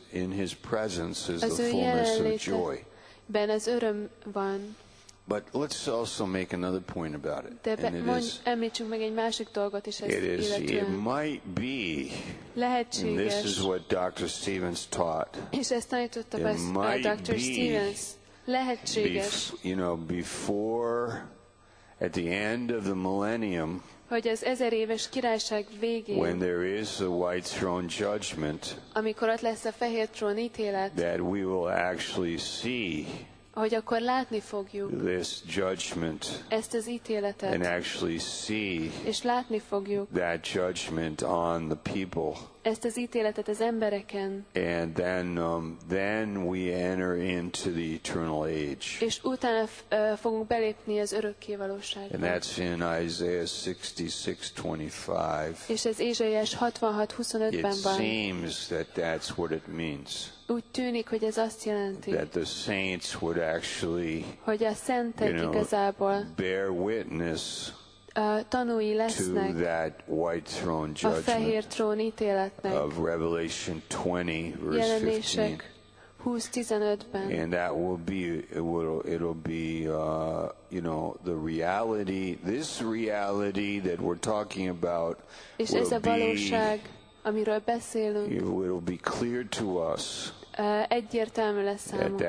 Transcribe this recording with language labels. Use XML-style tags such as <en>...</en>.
<en>His presence is az the fullness of joy.</en> <hu>Benne az öröm van.</hu> <en>But let's also make another point about it.</en> <hu>Említsünk meg egy másik dolgot is ez</hu> <en>it is,</en> <hu>illetően.</hu> <en>It might be.</en> <hu>Lehetséges.</hu> <en>And this is what Dr. Stevens taught.</en> <hu>És ezt tanította Dr. Stevens. Lehetséges.</hu> <en>Before, at the end of the millennium,</en> <hu>hogy az ezer éves királyság végén,</hu> <en>when there is a white throne judgment,</en> <hu>amikor ott lesz a fehér trón ítélet,</hu> <en>that we will actually see</en> <hu>hogy akkor látni fogjuk</hu> <en>this judgment</en> <hu>ezt az ítéletet,</hu> <en>and actually see</en> <hu>és látni fogjuk</hu> <en>that judgment on the people</en> <hu>ezt az ítéletet az embereken,</hu> <en>and then we enter into the eternal age</en> <hu>és utána fogunk belépni az örökké valóságba,</hu> <en>and that's in Isaiah 66:25</en> <hu>és ez Ézsaiás 66:25-ben van.</hu> <en>It seems that that's what it means.</en> <hu>Úgy tűnik, hogy ez azt jelenti,</hu> <en>that the saints would actually,</en> <hu>hogy a szentek igazából</hu> <en>bear witness</en> <hu>tanúi lesznek</hu> <en>to that white throne judgment</en> <hu>a fehér trón ítéletnek</hu> <en>of Revelation 20, verse</en> <hu>15. 20:15-ben.</hu> <en>And that will be, the reality, this reality that we're talking about</en> <hu>és ez a valóság, amiről beszélünk,</hu> <en>it will be clear to us</en> <hu>egyértelmű lesz számunkra</hu>